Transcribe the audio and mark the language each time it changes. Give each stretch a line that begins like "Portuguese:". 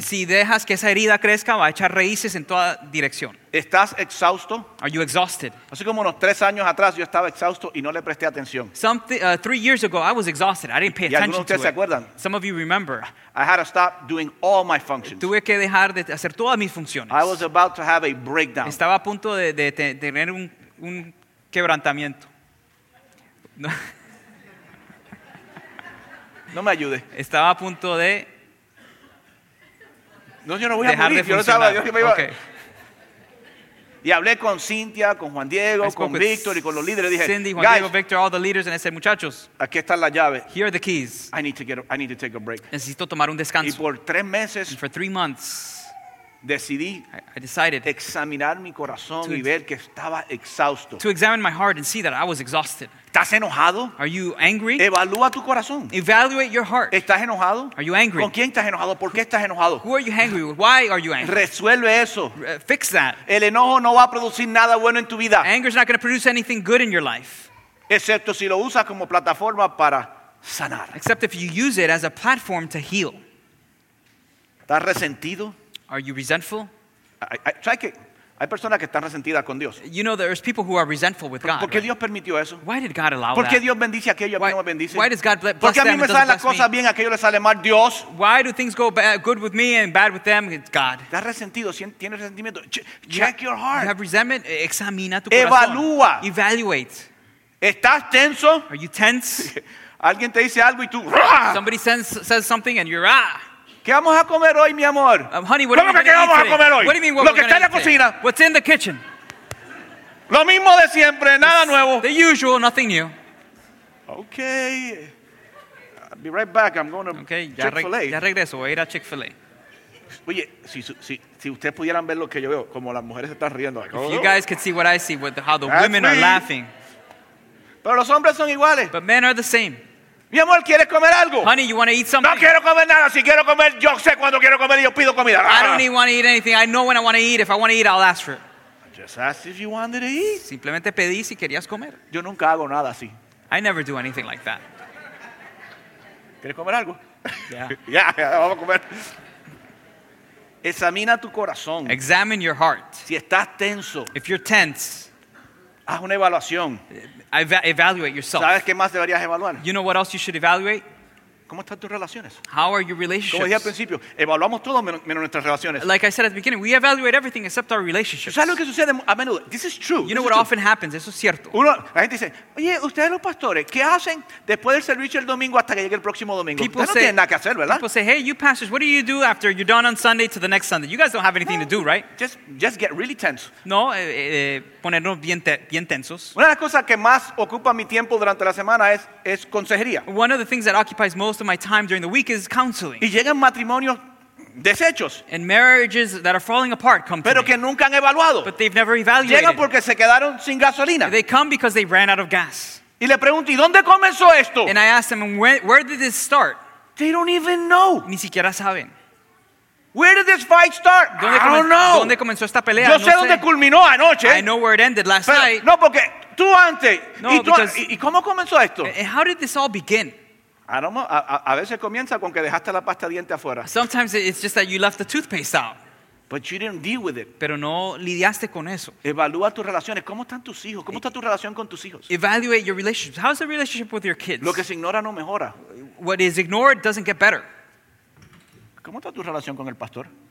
Spanish: Si dejas que esa herida crezca, va a echar raíces en toda dirección. ¿Estás exhausto?
English: Are you exhausted?
Spanish: Así como unos 3 años atrás yo estaba exhausto y no le presté atención.
English: 3 years ago I was exhausted. I didn't pay attention to it.
Spanish: ¿Y algunos de ustedes se acuerdan?
English: Some of you remember. I had to stop doing all my functions.
Spanish: Tuve que dejar de hacer todas mis funciones.
English: I was about to have a breakdown.
Spanish: Estaba a punto de tener un quebrantamiento. No. No me ayude. Estaba a punto de. No, yo no voy a morir. De yo no estaba. Yo me iba. Okay. Y hablé con Cintia, con Juan Diego, con Víctor y con los líderes. Dije,
English: Cindy, Juan Diego, Víctor, all the leaders, and I said,
Spanish: muchachos. Aquí están las llaves.
English: Here are the keys. I need to take a break.
Spanish: Necesito tomar un descanso. Y por 3 meses.
English: And for 3 months.
Spanish: Decidí.
English: I decided.
Spanish: Examinar mi corazón y ver que estaba exhausto.
English: To examine my heart and see that I was exhausted.
Spanish: ¿Estás enojado?
English: Are you angry?
Spanish: Evalúa tu corazón.
English: Evaluate your heart.
Spanish: ¿Estás enojado?
English: Are you angry?
Spanish: ¿Con quién estás enojado? ¿Por qué estás enojado?
English: Who are you angry with? Why are you angry?
Spanish: Resuelve eso.
English: Fix that.
Spanish: El enojo no va a producir nada bueno en tu vida.
English: Anger is not going to produce anything good in your life.
Spanish: Excepto si lo usas como plataforma para sanar.
English: Except if you use it as a platform to heal.
Spanish: ¿Estás resentido?
English: Are you resentful? I try to
Spanish: Hay personas que están resentidas con Dios.
English: You know, there's people who are resentful with God.
Spanish: ¿Por qué Dios permitió eso?
English: Why did God allow that?
Spanish: ¿Por qué Dios bendice a aquello y no me bendice?
English: Why does God bless them and doesn't bless me?
Spanish: ¿Por qué a mí me salen las cosas bien y a aquello le sale mal? Dios.
English: Why do things go good with me and bad with them? It's God.
Spanish: ¿Estás resentido? ¿Tienes resentimiento?
English: Check your heart. You have resentment?
Spanish: Examina tu Evalúa. Corazón.
English: Evaluate.
Spanish: ¿Estás tenso?
English: Are you tense?
Spanish: Alguien te dice algo y tú.
English: Somebody says something and you're ah.
Spanish: ¿Qué vamos a comer hoy, mi amor?
English: Honey, what are we going to eat today? What do you mean what we're going to eat today?
Spanish: Lo que está en la cocina.
English: What's in the kitchen?
Spanish: Lo mismo de siempre, nada nuevo.
English: The usual, nothing new. Okay. I'll be right back. I'm going to Chick-fil-A.
Spanish: Ya regreso, voy a ir a Chick-fil-A. Oye, si ustedes pudieran ver lo que yo veo, como las mujeres están riendo.
English: If you guys could see what I see, how the women are laughing.
Spanish: Pero los hombres son iguales.
English: But men are the same.
Spanish: Mi amor, ¿quieres comer algo?
English: Honey, you want to eat something?
Spanish: No quiero comer nada. Si quiero comer, yo sé cuando quiero comer y yo pido comida.
English: I don't even want to eat anything. I know when I want to eat. If I want to eat, I'll ask for it. Just ask if you wanted to eat.
Spanish: Simplemente pedí si querías comer. Yo nunca hago nada así.
English: I never do anything like that.
Spanish: ¿Quieres comer algo?
English: Yeah.
Spanish: Yeah, vamos a comer. Examina tu corazón.
English: Examine your heart.
Spanish: Si estás tenso.
English: If you're tense.
Spanish: Haz una evaluación.
English: Evaluate yourself.
Spanish: ¿Sabes qué más deberías evaluar?
English: You know what else you should evaluate?
Spanish: ¿Cómo están tus relaciones?
English: How are your relationships?
Spanish: Como dije al principio, evaluamos todo menos nuestras relaciones.
English: Like I said at the beginning, we evaluate everything except our relationships.
Spanish: ¿Sabes lo que sucede a menudo?
English: This is true. You know what often happens?
Spanish: Eso es cierto. La gente dice, oye, ustedes los pastores, ¿qué hacen después del servicio el domingo hasta que llegue el próximo domingo?
English: People
Spanish: ustedes no tienen nada que hacer, ¿verdad?
English: People say, hey, you pastors, what do you do after you're done on Sunday to the next Sunday? You guys don't have anything
Spanish: no,
English: to do, right? Just get really tense.
Spanish: No, ponernos bien tensos. Una de las cosas que más ocupa mi tiempo durante la semana es consejería.
English: One of the things that occupies most of my time during the week is counseling.
Spanish: Y llegan matrimonios deshechos.
English: And marriages that are falling apart come
Spanish: Pero
English: to me.
Spanish: Que nunca han evaluado.
English: But they've never evaluated.
Spanish: Llegan porque se quedaron sin gasolina.
English: They come because they ran out of gas.
Spanish: Y le pregunto, ¿y dónde comenzó esto?
English: And I ask them, where did this start? They don't even know.
Spanish: Ni siquiera saben.
English: Where did this fight start?
Spanish: ¿Dónde
English: I don't know.
Spanish: ¿Dónde comenzó esta pelea? Yo no sé dónde culminó anoche.
English: I know where it ended last
Spanish: Pero,
English: night.
Spanish: No, porque tú antes. No, y, tú,
English: because,
Spanish: ¿y cómo comenzó esto?
English: And how did this all begin?
Spanish: A veces comienza con que dejaste la pasta diente afuera.
English: Sometimes it's just that you left the toothpaste out. But you didn't deal with it.
Spanish: Pero no lidiaste con eso. Evalúa tus relaciones. ¿Cómo están tus hijos? ¿Cómo está tu relación con tus hijos?
English: Evaluate your relationships. How's the relationship with your kids?
Spanish: Lo que se ignora no mejora.
English: What is ignored doesn't get better.
Spanish: ¿Cómo está tu relación con el pastor?